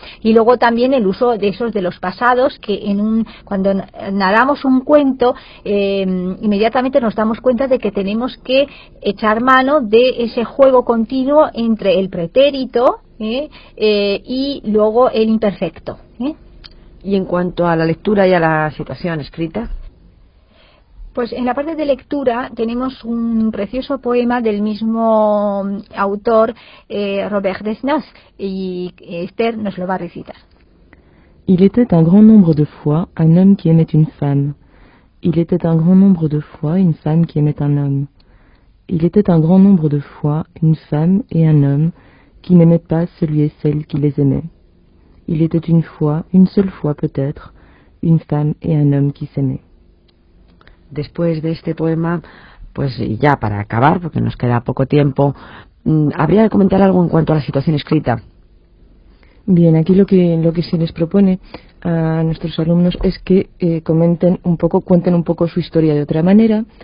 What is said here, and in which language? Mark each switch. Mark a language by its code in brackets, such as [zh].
[es] Y luego también el uso de esos de los pasados, que cuando narramos un cuento, inmediatamente nos damos cuenta de que tenemos que echar mano de ese juego continuo entre el pretérito y luego el imperfecto. ¿Y en cuanto a la lectura y a la situación escrita? Pues en la parte de lectura tenemos un precioso poema del mismo autor, Robert Desnos, y Esther nos lo va a recitar. [fr] Il était un grand nombre de fois un homme qui aimait une femme. Il était un grand nombre de fois une femme qui aimait un homme. Il était un grand nombre de fois une femme et un homme qui n'aimaient pas celui et celle qui les aimait. Il était une fois, une seule fois peut-être, une femme et un homme qui s'aimaient. [es] Después de este poema, pues ya para acabar, porque nos queda poco tiempo, ¿habría que comentar algo en cuanto a la situación escrita? Bien, aquí lo que se les propone a nuestros alumnos es que cuenten un poco su historia de otra manera.